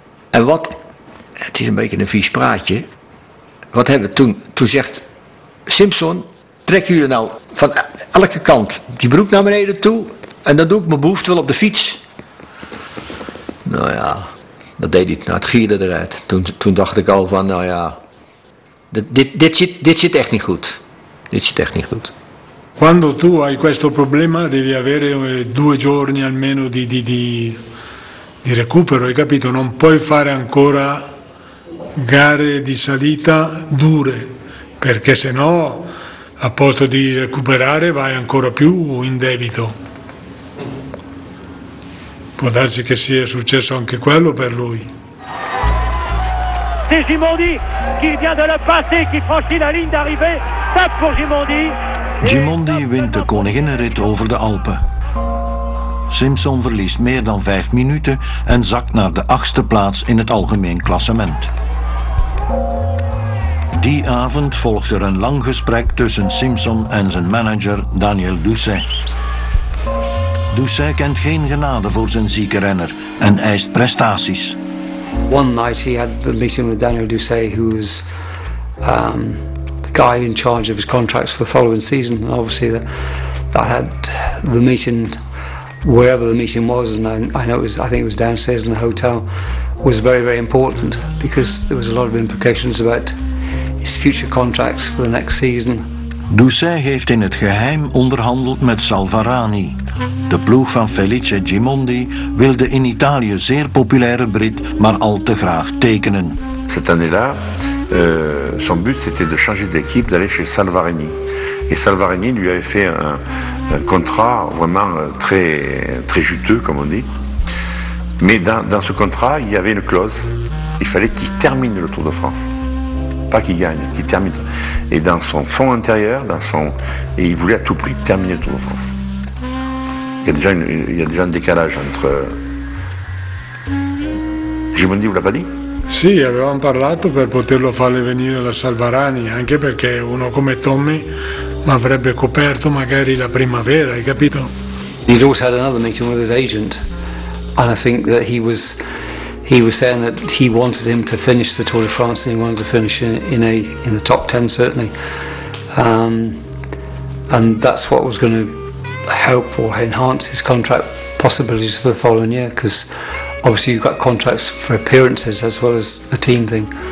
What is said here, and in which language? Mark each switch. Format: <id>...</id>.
<nl>En wat, het is een beetje een vies praatje. Wat hebben we toen zegt Simpson, trek jullie nou van elke kant die broek naar beneden toe. En dan doe ik mijn behoefte wel op de fiets. Nou ja. Dat deed hij, nou, het gierde eruit. Toen dacht ik al van, nou ja, dit zit echt niet goed. Dit zit echt niet goed.</nl> <it>Quando tu hai questo problema, devi avere due giorni almeno di recupero, hai capito? Non puoi fare ancora gare di salita dure, perché se no, a posto di recuperare, vai ancora più in debito. Può darsi che sia successo anche quello per lui.</it> <fr>C'est Gimondi qui vient de le passer, qui franchit la ligne d'arrivée. Top pour Gimondi.</fr> <nl>Gimondi wint de koninginnenrit over de Alpen. Simpson verliest meer dan 5 minuten en zakt naar de 8e plaats in het algemeen klassement. Die avond volgt er een lang gesprek tussen Simpson en zijn manager Daniel Doucet. Doucet kent geen genade voor zijn zieke renner en eist prestaties.</nl> <en>One night he had a meeting with Daniel Doucet, who was the guy in charge of his contracts for the following season. And obviously I had the meeting, wherever the meeting was, and I know it was, I think it was downstairs in the hotel, was very, very important because there was a lot of implications about his future contracts for the next season.</en> <nl>Doucet heeft in het geheim onderhandeld met Salvarani. De ploeg van Felice Gimondi wil de in Italië zeer populaire Brit maar al te graag tekenen.</nl> <fr>Cette année-là, son but c'était de changer d'équipe, d'aller chez Salvarani. Et Salvarani lui avait fait un contrat vraiment très, très juteux, comme on dit. Mais dans ce contrat, il y avait une clause. Il fallait qu'il termine le Tour de France. Pas qu'il gagne, qu'il termine. Et dans son fond intérieur, et il voulait à tout prix terminer le Tour de France. Il y a déjà un décalage entre. Gimondi, vous l'a pas dit?</fr> <it>Si, avevamo parlato per poterlo farle venire alla Salvarani, anche perché uno come Tommy m'avrebbe coperto magari la primavera, hai capito?</it> <en>He's also had another meeting with his agent, and I think that he was saying that he wanted him to finish the Tour de France and he wanted to finish in the top 10 certainly. And that's what was going to help or enhance his contract possibilities for the following year, because obviously you've got contracts for appearances as well as a team thing.</en>